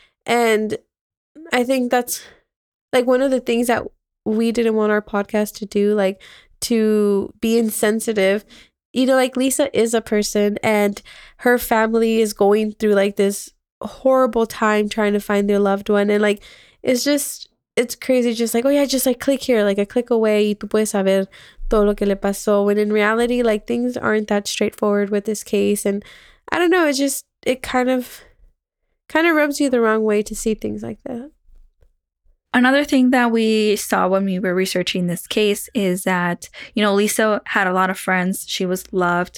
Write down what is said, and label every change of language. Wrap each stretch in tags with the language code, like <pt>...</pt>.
<en>And I think that's like one of the things that we didn't want our podcast to do, like to be insensitive. You know, like Lisa is a person and her family is going through like this horrible time trying to find their loved one. And like, it's just, it's crazy. Just like, oh yeah, just like click here, like a click away.</en> <es>Y tú puedes saber todo lo que le pasó.</es> <en>When in reality, like things aren't that straightforward with this case. And I don't know, it's just, it kind of rubs you the wrong way to see things like that. Another thing that we saw when we were researching this case is that, you know, Lisa had a lot of friends. She was loved.</en>